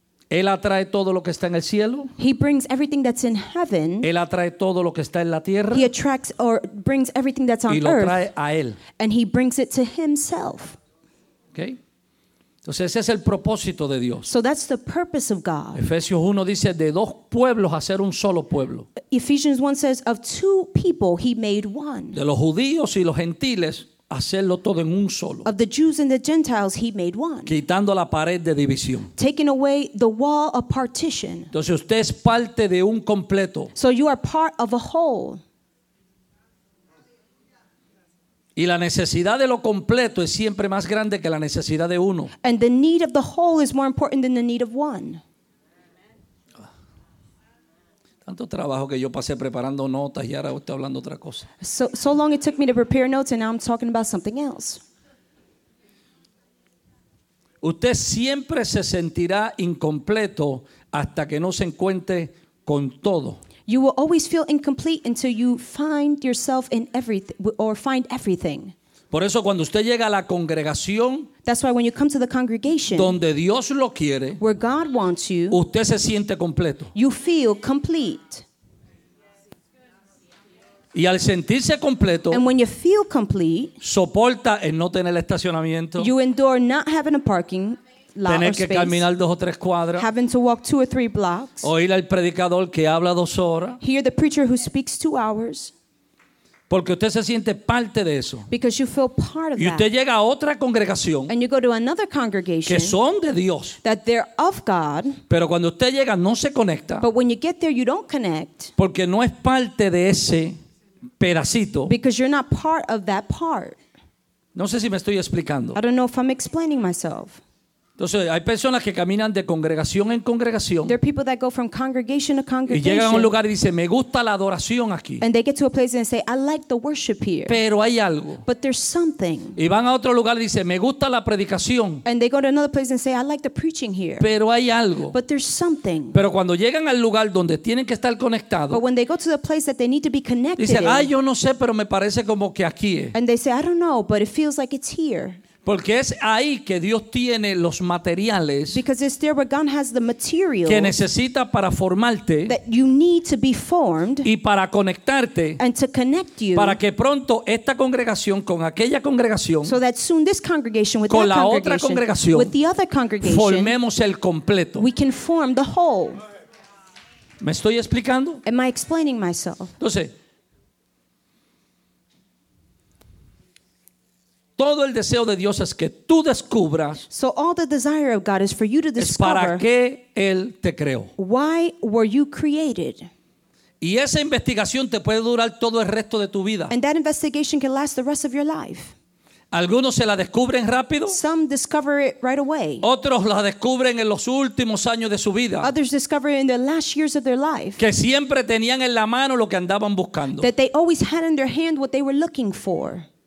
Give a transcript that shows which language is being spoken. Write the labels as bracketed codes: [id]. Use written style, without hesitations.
[es] Él atrae todo lo que está en el cielo. [en] He brings everything that's in heaven. [es] Él atrae todo lo que está en la tierra. [en] He attracts or brings everything that's on earth. [es] Y lo trae a él. [en] And he brings it to himself. [es] Okay. Entonces ese es el propósito de Dios. [en] So that's the purpose of God. [es] Efesios 1 dice de dos pueblos hacer un solo pueblo. [en] Ephesians 1 says of two people he made one. [es] De los judíos y los gentiles hacerlo todo en un solo. [en] Of the Jews and the Gentiles he made one. [es] Quitando la pared de división. [en] Taking away the wall of partition. [es] Entonces usted es parte de un completo. [en] So you are part of a whole. [es] Y la necesidad de lo completo es siempre más grande que la necesidad de uno. [en] And the need of the whole is more important than the need of one. [es] Tanto trabajo que yo pasé preparando notas y ahora estoy hablando otra cosa. [en] So long it took me to prepare notes and now I'm talking about something else. [es] Usted siempre se sentirá incompleto hasta que no se encuentre con todo. [en] You will always feel incomplete until you find yourself in everything or find everything. [es] Por eso cuando usted llega a la congregación, [en] that's why when you come to the congregation, [es] donde Dios lo quiere, [en] where God wants you, [es] usted se siente completo. [en] You feel complete. [es] Y al sentirse completo, [en] and when you feel complete, [es] soporta el no tener estacionamiento, [en] you endure not having a parking. [es] Tener [en] space, [es] que caminar dos o tres cuadras. [en] Having to walk two or three blocks. [es] Oír al predicador que habla dos horas. [en] Hear the preacher who speaks 2 hours. [es] Porque usted se siente parte de eso. [en] Because you feel part of that. [es] Y usted llega a otra congregación. [en] And you go to another congregation. [es] Que son de Dios. [en] That they're of God. [es] Pero cuando usted llega no se conecta. [en] But when you get there you don't connect. [es] Porque no es parte de ese pedacito. [en] Because you're not part of that part. [es] No sé si me estoy explicando. [en] I don't know if I'm explaining myself. [es] Entonces, hay personas que caminan de congregación en congregación. [en] There are people that go from congregation to congregation. [es] Y llegan a un lugar y dicen, me gusta la adoración aquí. [en] And they get to a place and say, I like the worship here. [es] Pero hay algo. [en] But there's something. [es] Y van a otro lugar y dicen, me gusta la predicación. [en] And they go to another place and say, I like the preaching here. [es] Pero hay algo. [en] But there's something. [es] Pero cuando llegan al lugar donde tienen que estar conectados. [en] But when they go to the place that they need to be connected. [es] Dicen, ay, yo no sé, pero me parece como que aquí es. [en] And they say, I don't know, but it feels like it's here. [es] Porque es ahí que Dios tiene los materiales que necesita para formarte y para conectarte [en] and to connect you [es] para que pronto esta congregación con aquella congregación [en] so that soon this congregation with [es] con [en] that [es] la [en] congregation, [es] otra congregación [en] with the other congregation, [es] formemos el completo. [en] We can form the whole. [es] ¿Me estoy explicando? [en] Am I explaining myself? [es] Entonces, todo el deseo de Dios es que tú descubras. [en] So all the desire of God is for you to discover. [es] Es para qué Él te creó. [en] Why were you created? [es] Y esa investigación te puede durar todo el resto de tu vida. [en] And that investigation can last the rest of your life. [es] Algunos se la descubren rápido. [en] Some discover it right away. [es] Otros la descubren en los últimos años de su vida. [en] Others discover it in the last years of their life. [es] Que siempre tenían en la mano lo que andaban buscando. [en] That they always had in their hand what they were looking for.